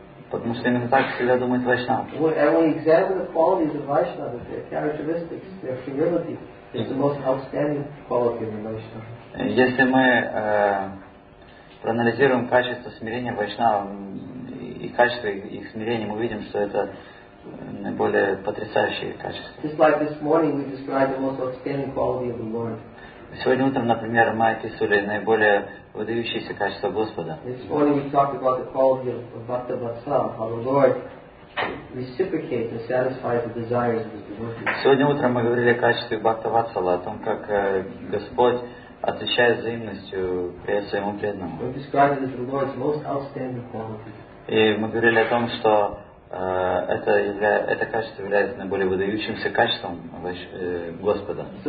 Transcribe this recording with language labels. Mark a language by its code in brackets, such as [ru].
[ru] Потому что именно так всегда думает вайшнав. Если мы проанализируем качество смирения вайшнава и качество их смирения, мы видим, что это наиболее потрясающие качества. [en] Just like this morning, we describe the most outstanding quality of the Lord. [ru] Сегодня утром, например, мы описывали наиболее выдающиеся качества Господа. [en] This morning we talked about the quality of Bhakta Vatsala, how the Lord reciprocates and satisfies the desires of His devotees. [ru] Сегодня утром мы говорили о качестве Бхакта Ватсала, о том, как Господь отвечает взаимностью своему преданному. [en] We described it as the Lord's most outstanding quality. [ru] И мы говорили о том, что это качество является наиболее выдающимся качеством Господа.